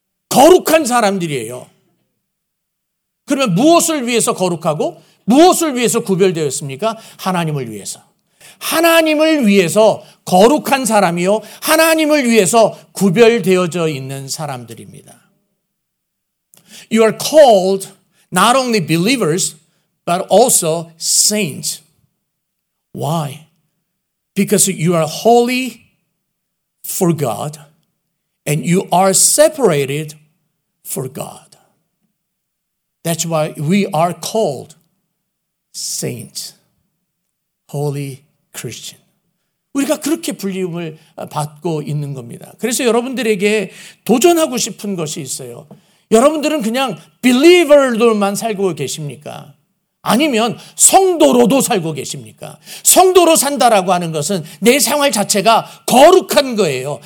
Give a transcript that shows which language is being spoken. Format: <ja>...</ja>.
<ko>거룩한 사람들이에요. 그러면 무엇을 위해서 거룩하고 무엇을 위해서 구별되었습니까? 하나님을 위해서. 하나님을 위해서 거룩한 사람이요. 하나님을 위해서 구별되어져 있는 사람들입니다.</ko> <en>You are called not only believers but also saints. Why? Because you are holy for God. And you are separated for God. That's why we are called saints, holy Christian.</en> <ko>우리가 그렇게 불림을 받고 있는 겁니다. 그래서 여러분들에게 도전하고 싶은 것이 있어요. 여러분들은 그냥 believer들만 살고 계십니까? 아니면 성도로도 살고 계십니까? 성도로 산다라고 하는 것은 내 생활 자체가 거룩한 거예요.</ko>